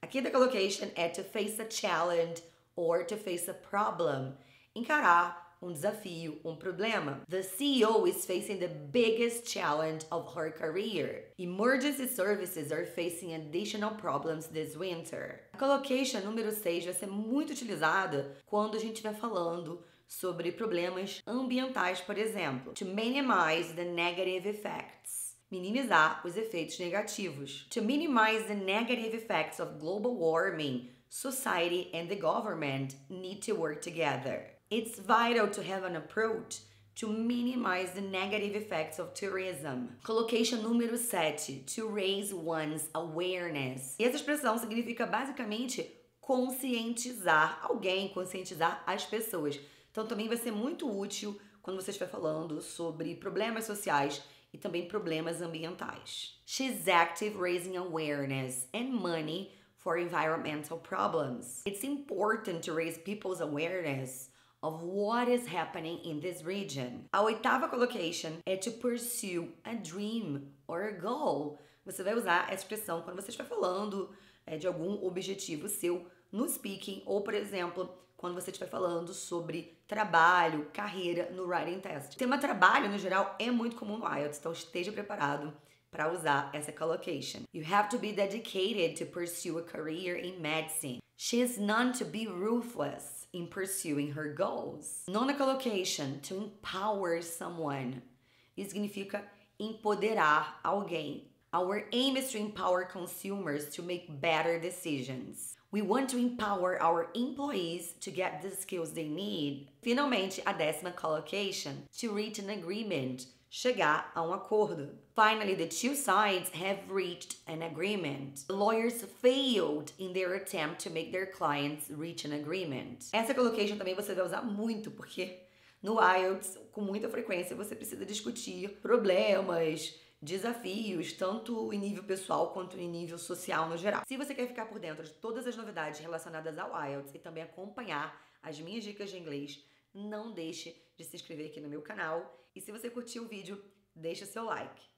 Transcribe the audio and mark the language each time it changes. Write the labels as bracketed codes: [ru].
[pt] Aqui da collocation é [en] to face a challenge or to face a problem. [pt] Encarar um desafio, um problema. [en] The CEO is facing the biggest challenge of her career. Emergency services are facing additional problems this winter. [pt] A collocation número 6 vai ser muito utilizada quando a gente estiver falando sobre problemas ambientais, por exemplo. [en] To minimize the negative effects. [pt] Minimizar os efeitos negativos. [en] To minimize the negative effects of global warming, society and the government need to work together. It's vital to have an approach to minimize the negative effects of tourism. [pt] Collocation número 7: [en] to raise one's awareness. [pt] E essa expressão significa basicamente conscientizar alguém, conscientizar as pessoas. Então também vai ser muito útil quando você estiver falando sobre problemas sociais e também problemas ambientais. [en] She's active raising awareness and money for environmental problems. It's important to raise people's awareness of what is happening in this region. [pt] A oitava collocation é [en] to pursue a dream or a goal. [pt] Você vai usar essa expressão quando você estiver falando de algum objetivo seu no speaking ou, por exemplo, quando você estiver falando sobre trabalho, carreira no writing test. O tema trabalho, no geral, é muito comum no IELTS, então esteja preparado para usar essa collocation. [en] You have to be dedicated to pursue a career in medicine. She is known to be ruthless in pursuing her goals. [pt] Nona collocation, [en] to empower someone. [pt] Isso significa empoderar alguém. [en] Our aim is to empower consumers to make better decisions. We want to empower our employees to get the skills they need. [pt] Finalmente, a décima collocation, [en] to reach an agreement, [pt] chegar a um acordo. [en] Finally, the two sides have reached an agreement. The lawyers failed in their attempt to make their clients reach an agreement. [pt] Essa collocation também você vai usar muito, porque no IELTS, com muita frequência, você precisa discutir problemas, desafios, tanto em nível pessoal quanto em nível social no geral. Se você quer ficar por dentro de todas as novidades relacionadas ao IELTS e também acompanhar as minhas dicas de inglês, não deixe de se inscrever aqui no meu canal. E se você curtiu o vídeo, deixa seu like.